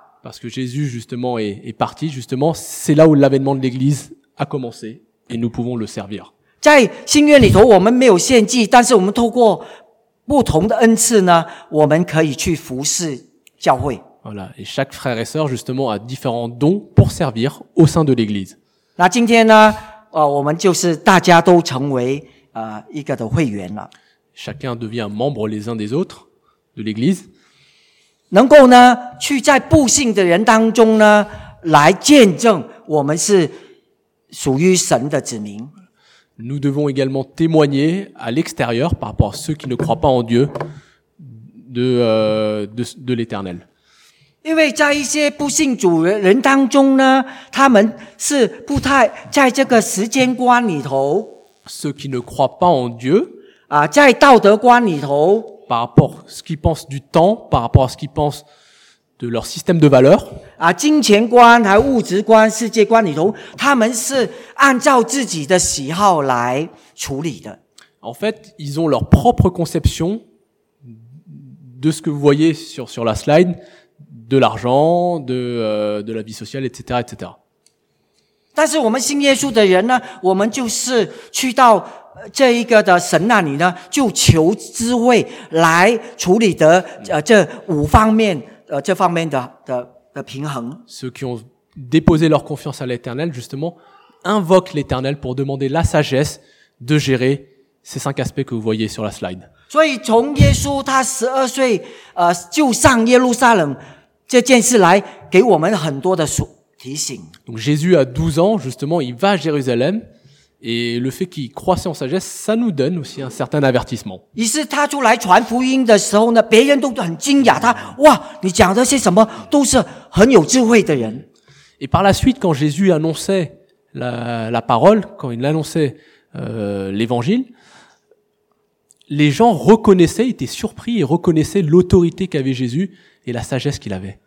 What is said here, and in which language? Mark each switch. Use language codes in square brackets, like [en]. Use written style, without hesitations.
[fr] Parce que Jésus, justement, est parti, justement, c'est là où l'avènement de l'église a commencé et nous pouvons le servir. [zh] 在新约里头我们没有献祭但是我们透过不同的恩赐呢，我们可以去服侍教会。 [fr] Voilà, et chaque frère et sœur justement a différents dons pour servir au sein de l'Église. [zh] 那今天呢，我们就是大家都成为一个的会员了。 [fr] Chacun devient membre les uns des autres de l'Église. [zh] 能够呢，去在不信的人当中呢，来见证我们是属于神的子民。 [fr] Nous devons également témoigner à l'extérieur par rapport à ceux qui ne croient pas en Dieu de l'éternel. [zh] 因为在一些不信主人当中呢，他们是不太在这个时间观里头。 [fr] Ceux qui ne croient pas en Dieu. [zh] 啊，在道德观里头。 [fr] Par rapport à ce qu'ils pensent du temps, par rapport à ce qu'ils pensent de leur système de valeurs. [zh] 啊，金钱观还物质观、世界观里头，他们是按照自己的喜好来处理的。 [fr] En fait, ils ont leur propre conception de ce que vous voyez sur la slide, de l'argent, de la vie sociale, etc., etc. [zh] 但是我们信耶稣的人呢，我们就是去到这一个的神那里呢，就求智慧来处理的这五方面。这方面的平衡。 [fr] Ceux qui ont déposé leur confiance à l'éternel, justement, invoquent l'éternel pour demander la sagesse de gérer ces cinq aspects que vous voyez sur la slide. [zh] 所以从耶稣他十二岁就上耶路撒冷这件事来给我们很多的提醒。 [fr] Donc, Jésus a 12 ans, justement, il va à Jérusalem, et le fait qu'il croissait en sagesse, ça nous donne aussi un certain avertissement. [zh] 于是他出来传福音的时候呢，别人都很惊讶，他哇，你讲的些什么，都是很有智慧的人。 [fr] Et par la suite, quand Jésus annonçait la parole, quand il annonçait l'évangile, les gens reconnaissaient, étaient surpris et reconnaissaient l'autorité qu'avait Jésus et la sagesse qu'il avait.